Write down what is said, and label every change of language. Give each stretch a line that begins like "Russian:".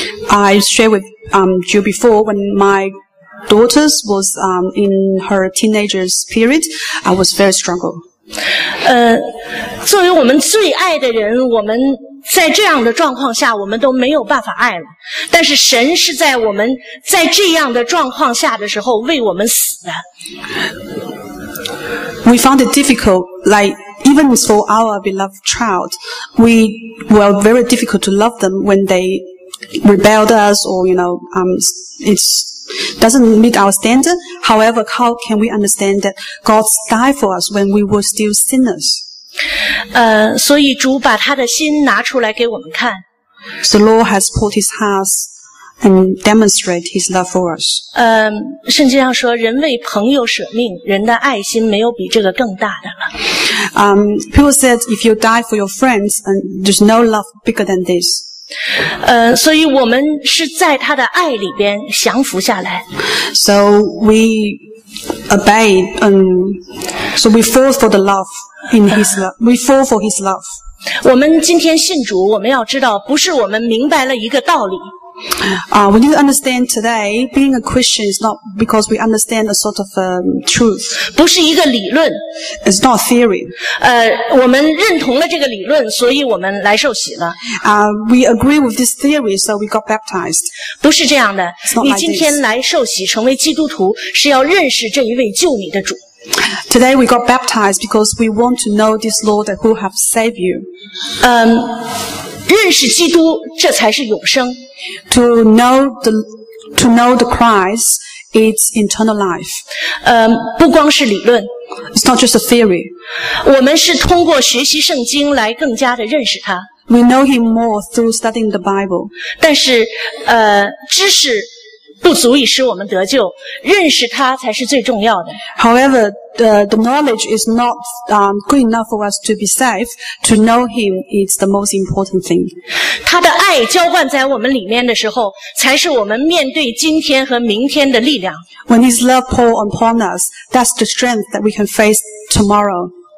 English: I shared with you before when my daughters was in her teenager's period, I was very struggled.
Chinese: 作为我们最爱的人，我们在这样的状况下我们都没有办法爱了，但是神是在我们在这样的状况下的时候为我们死的。
English: We found it difficult, like even for our beloved child, we were very difficult to love them when they rebelled us or you know, it's doesn't meet our standard. However, how can we understand that God died for us when we were still sinners?
Chinese: 所以主把他的心拿出来给我们看。
English: The Lord has put his heart and demonstrate his love for us.
Chinese: 圣经上说，人为朋友舍命，人的爱心没有比这个更大的了。
English: People said, if you die for your friends, and there's no love bigger than this.
Chinese: 所以我们是在他的爱里边降服下来。
English: So we obey, so we fall for the love. In his love, we fall for his love.
Chinese: 我们今天信主，我们要知道，不是我们明白了一个道理。
English: We need to understand today, being a Christian is not because we understand a sort of truth.
Chinese: 不是一个理论。
English: It's not a theory.
Chinese: 我们认同了这个理论，所以我们来受洗了。
English: We agree with this theory, so we got baptized.
Chinese: 不是这样的。
English: It's not like this.
Chinese: 你今天来受洗，成为基督徒，是要认识这一位救你的主。
English: Today we got baptized because we want to know this Lord who has saved you.
Chinese: 认识基督，这才是永生。
English: To know the Christ, it's eternal life.
Chinese: 不光是理论。
English: It's not just a theory.
Chinese: 我们是通过学习圣经来更加的认识他。
English: We know him more through studying the Bible.
Chinese: 但是，知识不足以使我们得救，认识他才是最重要的。
English: However, the knowledge is not good enough for us to be saved. To know him is the most important thing.
Chinese: 他的爱浇灌在我们里面的时候，才是我们面对今天和明天的力量。
English: When his love pours upon us, that's the strength that we can face tomorrow.